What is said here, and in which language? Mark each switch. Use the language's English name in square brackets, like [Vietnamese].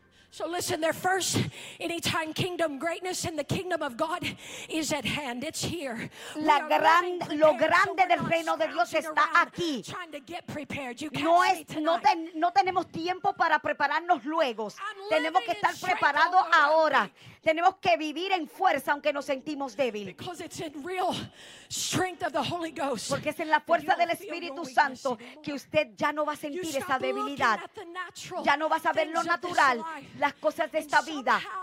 [English] So listen, their first anytime kingdom greatness in the kingdom of God is at hand. It's here. [Spanish] Lo grande del reino de Dios está aquí. [English] Trying to get prepared. You [Spanish] no es no tenemos tiempo para prepararnos luego. Tenemos que estar preparados ahora. Tenemos que vivir en fuerza aunque nos sentimos débil. [English] Because it's in real strength of the Holy Ghost. [Spanish] Porque es en la fuerza del Espíritu Santo que usted ya no va a sentir esa debilidad. Ya no vas a ver lo natural. Las cosas de esta vida.